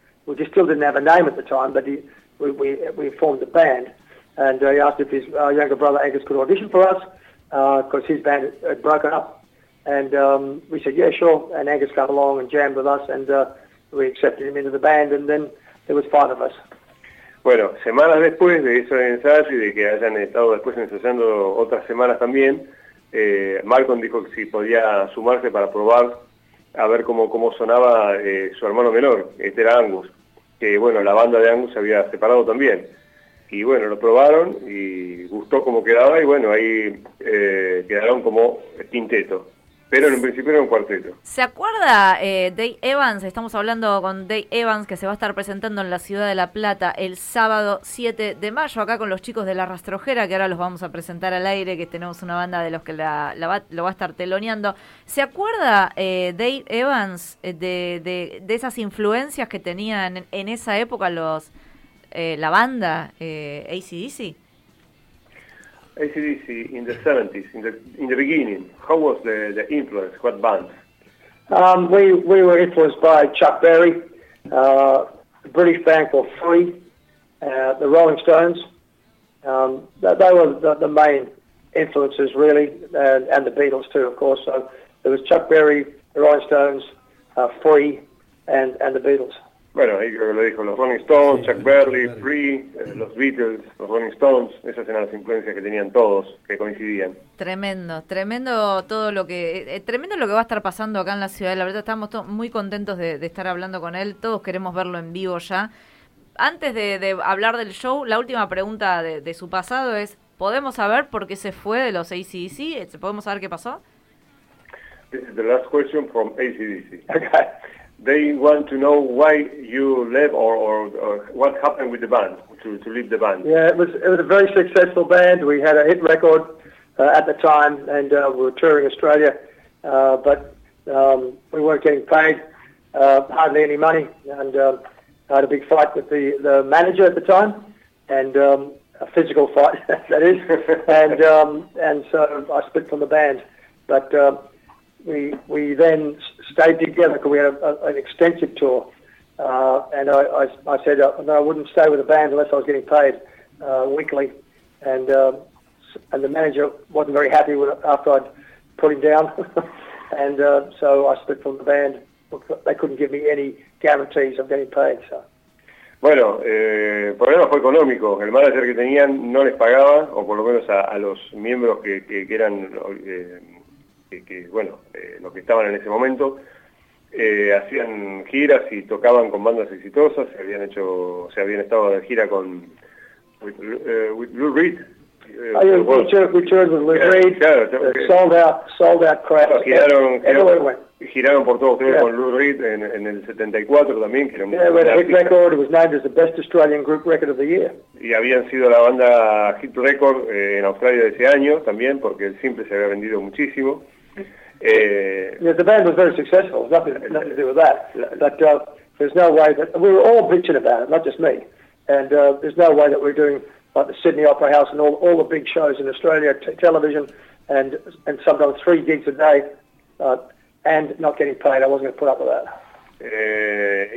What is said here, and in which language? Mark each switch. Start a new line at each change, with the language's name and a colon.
English: We just still didn't have a name at the time, but we formed the band, and he asked if his younger brother Angus could audition for us because his band had broken up, and we said yeah, sure, and Angus came along and jammed with us, and we accepted him into the band, and then there was five of us.
Spanish: Bueno, semanas después de eso de ensayo y de que hayan estado después ensayando otras semanas también, Malcolm dijo que si podía sumarse para probar a ver cómo sonaba su hermano menor, este era Angus, que bueno, la banda de Angus se había separado también. Y bueno, lo probaron y gustó cómo quedaba y bueno, ahí quedaron como quinteto. Pero en un principio era un cuarteto. ¿Se acuerda Dave Evans? Estamos hablando con Dave Evans, que se va a estar presentando en la Ciudad de La Plata el sábado 7 de mayo, acá con los chicos de La Rastrojera, que ahora los vamos a presentar al aire, que tenemos una banda de los que lo va a estar teloneando. ¿Se acuerda Dave Evans de esas influencias que tenían en esa época los la banda AC/DC?
English: AC/DC in the 70s, in the beginning, how was the influence? What bands? We were influenced by Chuck Berry, the British band called Free, the Rolling Stones. They were the main influences, really, and the Beatles too, of course. So there was Chuck Berry, the Rolling Stones, Free, and the Beatles.
Spanish: Bueno, ahí creo que lo dijo, los Rolling Stones, sí, Chuck Berry, Free, los Beatles, los Rolling Stones, esas eran las influencias que tenían todos, que coincidían. Tremendo, tremendo todo lo que, tremendo lo que va a estar pasando acá en la ciudad. La verdad, estamos muy contentos de estar hablando con él, todos queremos verlo en vivo ya. Antes de hablar del show, la última pregunta de su pasado es, ¿podemos saber por qué se fue de los AC/DC? ¿Podemos saber qué pasó?
English: This is the last question from AC/DC. They want to know why you left or what happened with the band, to leave the band. Yeah, it was a very successful band. We had a hit record at the time, and we were touring Australia, but we weren't getting paid, hardly any money, and I had a big fight with the manager at the time, and a physical fight, that is, and so I split from the band. But we then stayed together because we had an extensive tour, and I said that I wouldn't stay with the band unless I was getting paid weekly, and the manager wasn't very happy after I'd put him down, and so I split from the band. They couldn't give me any guarantees of getting paid, so.
Spanish: Bueno, el problema fue económico. El manager que tenían no les pagaba, o por lo menos a los miembros que eran los que estaban en ese momento. Hacían giras y tocaban con bandas exitosas. Habían estado de gira con with Lou Reed. Giraron por todos ustedes, yeah. Con Lou Reed en el 74 también, que era un
English: hit record. It was named as the best Australian group record of the year.
Spanish: Y habían sido la banda hit record en Australia de ese año también, porque el simple se había vendido muchísimo.
English: The band was very successful. Nothing to do with that. But there's no way that we were all bitching about it, not just me. And there's no way that we're doing like the Sydney Opera House and all the big shows in Australia, television, and sometimes three gigs a day. And not getting paid, I wasn't going to put up with that.